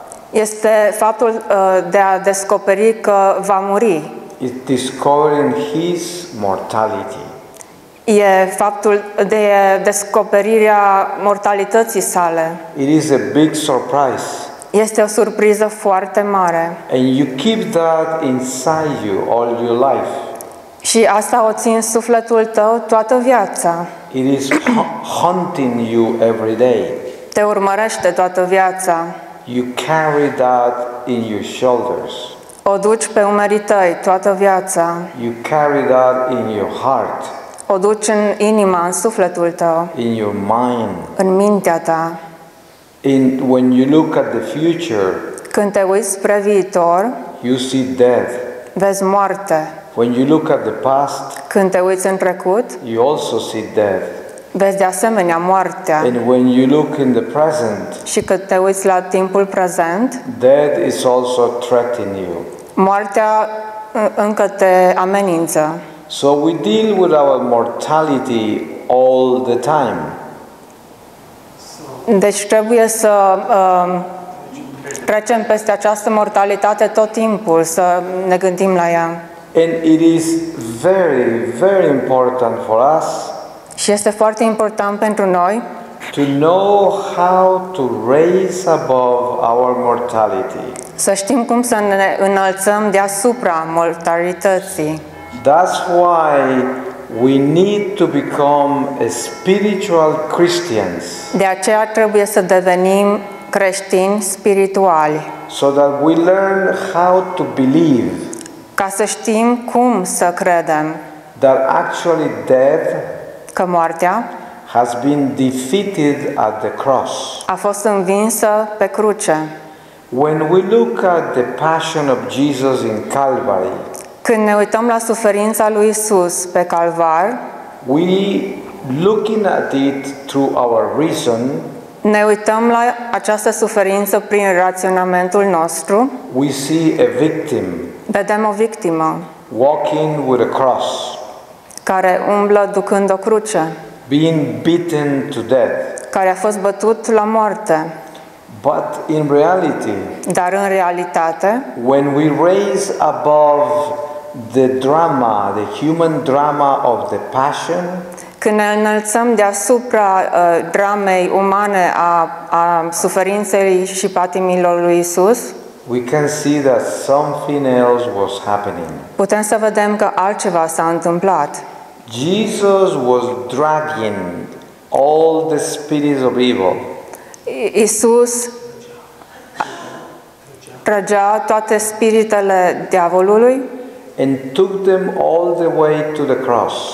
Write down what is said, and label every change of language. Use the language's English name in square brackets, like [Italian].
[Romanian] Este faptul de a descoperi că va muri. [English] It discovering his mortality. [Romanian] E faptul de descoperirea mortalității sale. [English] It is a big surprise. [Romanian] Este o surpriză foarte mare. [English] And you keep that inside you all your life. [Romanian] Și asta o ții în sufletul tău toată viața. [English] It is haunting you every day. [Romanian] Te urmărește toată viața. [English] You carry that in your shoulders. [Romanian] O duci pe umerii tăi toată viața. [English] You carry that in your heart. [Romanian] O duci în inima, în sufletul tău. [English] In your mind. [Romanian] În mintea ta. [English] In when you look at the future. [Romanian] Când te uiți spre viitor. [English] You see death. [Romanian] Vezi moarte. [English] When you look at the past. [Romanian] Când te uiți în trecut. [English] You also see death. [Romanian] Vezi de asemenea moartea. [English] And when you look in the present. [Romanian] Și când te uiți la timpul prezent. [English] Death is also threatening you. [Romanian] Moartea încă te amenință. [English] So we deal with our mortality all the time. [Romanian] Deci trebuie să trecem peste această mortalitate tot timpul, să ne gândim la ea. [English] And it is very, very important for us. [Romanian] Și este foarte important pentru noi. [English] To know how to raise above our mortality. [Romanian] Să știm cum să ne înălțăm deasupra mortalității. [English] That's why we need to become a spiritual Christians. [Romanian] De aceea trebuie să devenim creștini spirituali. [English] So that we learn how to believe. [Romanian] Ca să știm cum să credem. [English] That actually death. [Romanian] Că moartea. [English] Has been defeated at the cross. [Romanian] A fost învinsă pe cruce. [English] When we look at the passion of Jesus in Calvary. [Romanian] Când ne uităm la suferința lui Iisus pe Calvar, [English] we looking at it through our reason. [Romanian] Ne uităm la această suferință prin raționamentul nostru. [English] We see a victim. [Romanian] Vedem o victimă. [English] Walking with a cross. [Romanian] Care umblă ducând o cruce. [English] Being beaten to death. [Romanian] Care a fost bătut la moarte. [English] But in reality. [Romanian] Dar în realitate. [English] When we raise above the drama, the human drama of the passion. [Romanian] Când ne înălțăm deasupra dramei umane a suferinței și patimilor lui Iisus. [English] We can see that something else was happening. [Romanian] Putem să vedem că altceva s-a întâmplat. [English] Jesus was dragging all the spirits of evil. [Romanian] Iisus tragea toate spiritele diavolului. [English] And took them all the way to the cross.